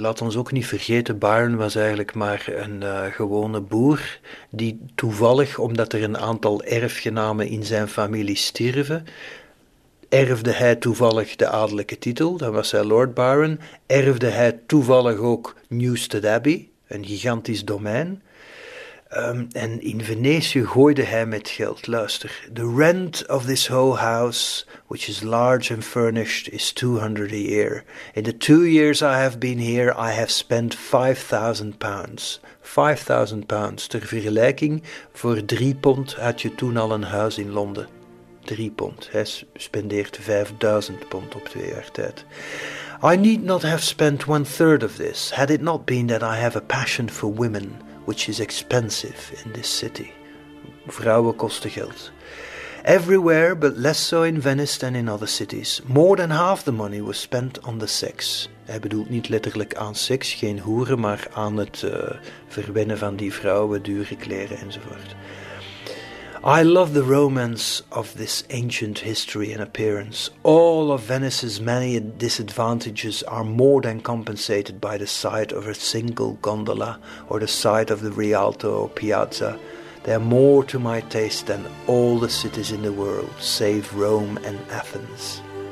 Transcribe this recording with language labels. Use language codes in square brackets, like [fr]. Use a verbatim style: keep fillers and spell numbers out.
[nl] Laat ons ook niet vergeten, Byron was eigenlijk maar een uh, gewone boer die toevallig, omdat er een aantal erfgenamen in zijn familie stierven, erfde hij toevallig de adellijke titel, dan was hij Lord Byron, erfde hij toevallig ook Newstead Abbey, een gigantisch domein. Um, en in Venetië gooide hij met geld. Luister. [en] The rent of this whole house, which is large and furnished, is two hundred a year. In the two years I have been here, I have spent five thousand pounds. five thousand pounds. [nl] Ter vergelijking, voor drie pond had je toen al een huis in Londen. Drie pond. Hij spendeert [en] five thousand [nl] pond op twee jaar tijd. [en] I need not have spent one third of this, had it not been that I have a passion for women, which is expensive in this city. [nl] Vrouwen kosten geld. [en] Everywhere, but less so in Venice than in other cities. More than half the money was spent on the sex. [nl] Hij bedoelt niet letterlijk aan seks, geen hoeren, maar aan het uh, verwennen van die vrouwen, dure kleren enzovoort. [en] I love the romance of this ancient history and appearance. All of Venice's many disadvantages are more than compensated by the sight of a single gondola or the sight of the Rialto or Piazza. They are more to my taste than all the cities in the world, save Rome and Athens.